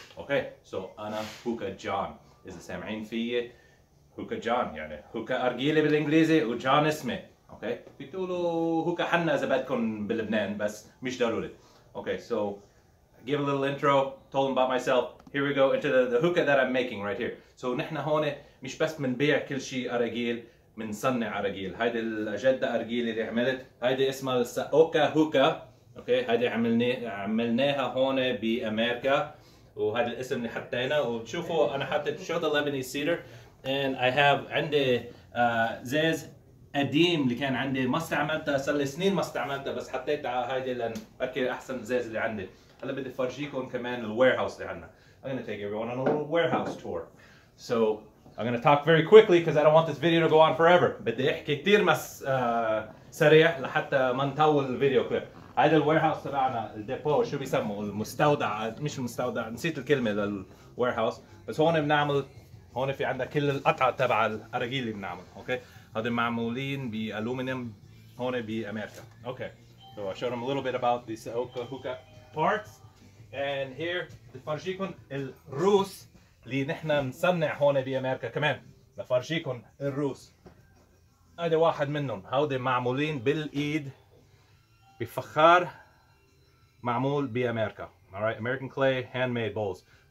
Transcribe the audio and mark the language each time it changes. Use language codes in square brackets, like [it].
[ar] اوكي، so انا هوكا جون، اذا سامعين فيي هوكا جون يعني هوكا ارجيلي بالانجليزي وجون اسمي. [en] Okay, [ar] بتقولوا هوكا حنا إذا بدكم بلبنان بس مش ضروري. [en] Okay, so give a little intro, told them about myself. Here we go into the hookah that I'm making right here. [ar] So نحن هون مش بس منبيع كل شيء أرجيل، منصنع أرجيل. هيدي الأجدة أرجيل اللي عملت، هيدي اسمها السأوكا هوكا. Okay, هيدي عملناها هون بأمريكا، وهذا الاسم اللي حطينا، وتشوفوا أنا حطيت [en] show the Lebanese cedar, and I have [ar] عندي زيز قديم اللي كان عندي ما استعملته صار لي سنين ما استعملته بس حطيت على هيدي لان اوكي احسن زيز اللي عندي. هلا بدي افرجيكم كمان الوير هاوس اللي عندنا. [en] I'm gonna take everyone on a little warehouse tour. So I'm gonna talk very quickly because I don't want this video to go on forever. [ar] بدي احكي كثير بس سريع لحتى ما نطول الفيديو كليب. هيدا الوير هاوس تبعنا الديبو شو بيسموه المستودع مش المستودع نسيت الكلمه للوير هاوس بس هون بنعمل هون في عندنا كل القطعه تبع الاراجيل اللي بنعمل اوكي. هذا معمولين بألومنيوم هون بأمريكا. [en] Okay, so I showed them a little bit about the Saoka Hookah parts. And here, [ar] بفرجيكم الروس اللي نحن نصنع هون بأمريكا كمان. بفرجيكم الروس. هذا واحد منهم، هودي معمولين بالإيد بفخار معمول بأمريكا. [en] Alright, American clay handmade bowls.